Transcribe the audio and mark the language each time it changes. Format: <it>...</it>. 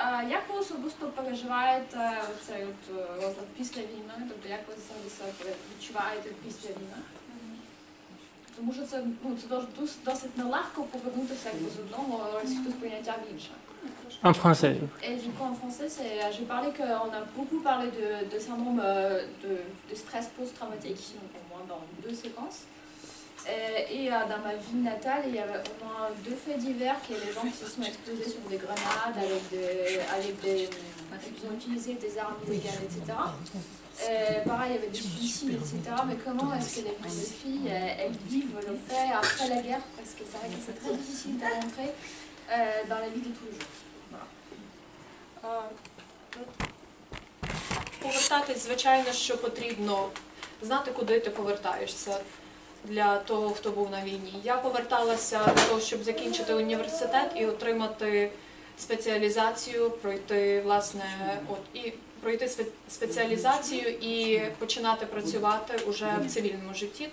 <uk>Як ви особисто переживаєте цей розлад після війни? Тобто як ви самі себе відчуваєте після війни? Тому що це, це досить нелегко повернутися з одного сприйняття в інше.</uk> <fr>En français. Et du coup, en français, j'ai parlé qu'on a beaucoup parlé de syndrome de stress post-traumatique, donc au moins dans deux séquences. Et dans ma ville natale, il y avait au moins deux faits divers, qui est les gens qui se sont exposés sur des grenades, ils ont utilisé des armes illégales, etc. Pareil, il y avait des suicides, etc. Mais comment est-ce que les petites filles, elles vivent le fait après la guerre? Parce que c'est vrai que c'est très difficile de rentrer dans la vie de tous les jours.</fr> <uk>Повертатись, звичайно, що потрібно знати, куди ти повертаєшся для того, хто був на війні. Я поверталася для того, щоб закінчити університет і отримати спеціалізацію, пройти власне от і пройти спеціалізацію і починати працювати уже в цивільному житті.</uk>